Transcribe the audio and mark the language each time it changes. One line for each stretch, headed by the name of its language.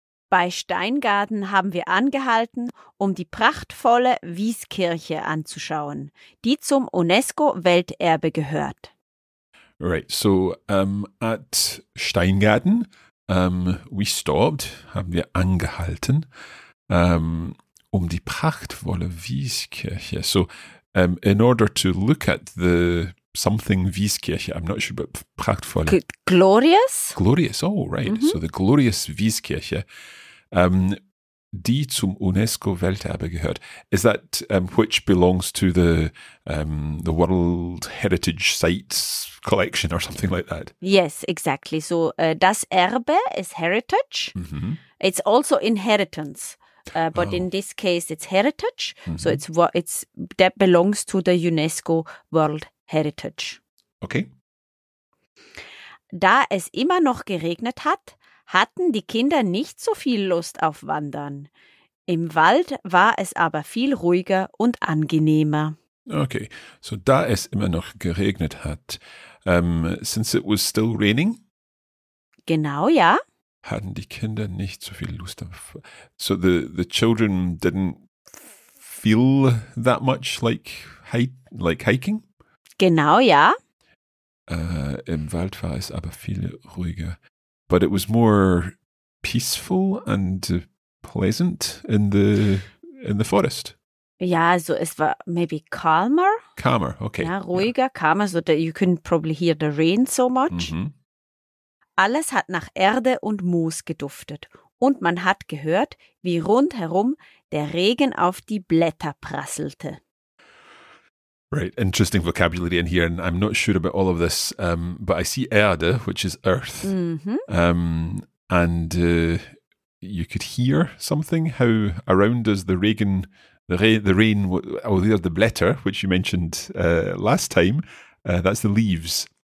German: Bei Steingaden haben wir angehalten, um die prachtvolle Wieskirche anzuschauen, die zum UNESCO-Welterbe gehört.
English: Right, so at Steingaden, we stopped,
German: haben wir angehalten, um die prachtvolle Wieskirche.
English: So in order to look at the something Wieskirche, I'm not sure, but prachtvolle. Glorious? Glorious, oh right. Mm-hmm. So the glorious Wieskirche.
German: Die zum UNESCO Welterbe gehört.
English: Is that which belongs to the World Heritage Sites Collection or something like that? Yes, exactly. So das Erbe is heritage. Mm-hmm. It's also inheritance, but in this case it's heritage. Mm-hmm. So it's that belongs to the UNESCO World Heritage. Okay.
German: Da es immer noch geregnet hat, hatten die Kinder nicht so viel Lust auf Wandern. Im Wald war es aber viel ruhiger und angenehmer.
English: Okay, so
German: da es immer noch geregnet hat,
English: since it was still raining?
German: Genau, ja. Hatten die Kinder nicht so viel Lust auf...
English: So the children didn't feel that much like hiking?
German: Genau, ja. Im Wald war es aber viel ruhiger.
English: But it was more peaceful and pleasant in the forest.
German: Ja, so es war
English: maybe calmer. Calmer, okay.
German: Ja, ruhiger, yeah.
English: Calmer, so that you couldn't probably hear the rain so much.
German: Mm-hmm. Alles hat nach Erde und Moos geduftet. Und man hat gehört, wie rundherum der Regen auf die Blätter prasselte.
English: Right, interesting vocabulary in here, and I'm not sure about all of this, but I see Erde, which is earth, mm-hmm. And you could hear something, how around us the rain, oh, there's the Blätter, which you mentioned last time, that's the leaves.